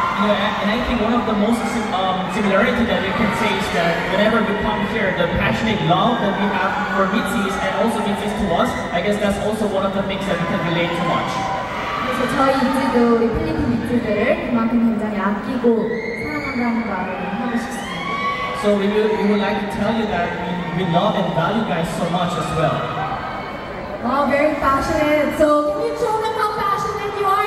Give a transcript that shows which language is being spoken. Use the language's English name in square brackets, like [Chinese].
[English] And I think one of the most similarity that you can say is that whenever we come here, the passionate love that we have for ITZYs and also ITZYs to us, I guess that's also one of the things that we can relate to much. [Korean] So 저희 이제도 우리 필리핀 ITZY들을 그만큼 굉장히 아끼고 사랑한다는 말을 하고 싶습니다. [English] So we would like to tell you that we love and value you guys so much as well. Wow, very passionate. So can you show them how passionate you are?